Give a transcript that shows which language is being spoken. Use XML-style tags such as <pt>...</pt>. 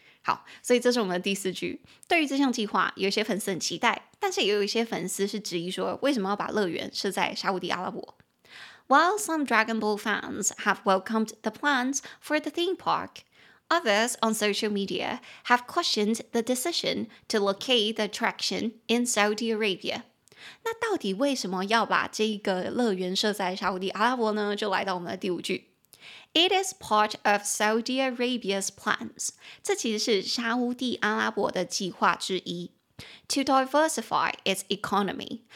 <zh>好，所以这是我们的第四句。对于这项计划，有一些粉丝很期待，但是也有一些粉丝是质疑说，为什么要把乐园设在沙烏地阿拉伯？</zh> <en>While some Dragon Ball fans have welcomed the plans for the theme park, others on social media have questioned the decision to locate the attraction in Saudi Arabia.</en> <zh>那到底为什么要把这个乐园设在沙烏地阿拉伯呢？就来到我们的第五句。</zh> <en>It is part of Saudi Arabia's plans.</en> <zh>这其实是沙烏地阿拉伯的计划之一。</zh> <en>To diversify its economy.</en>